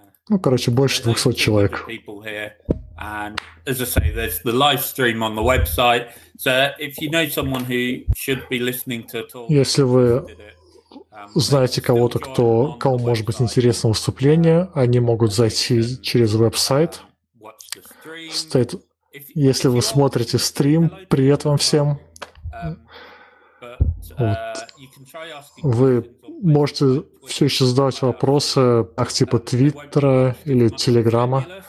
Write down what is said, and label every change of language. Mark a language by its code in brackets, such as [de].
[ru] Ну, короче, больше 200 человек. [en] And as I say, there's the live stream on the website. So if you know someone who should be listening to talk, [ru] если вы знаете кого-то, кто, кому может быть интересно выступление, они могут зайти через веб-сайт. Стоит, если вы смотрите стрим, привет вам всем. Вот. Вы можете все еще задавать вопросы, так типа Твиттера или Телеграма.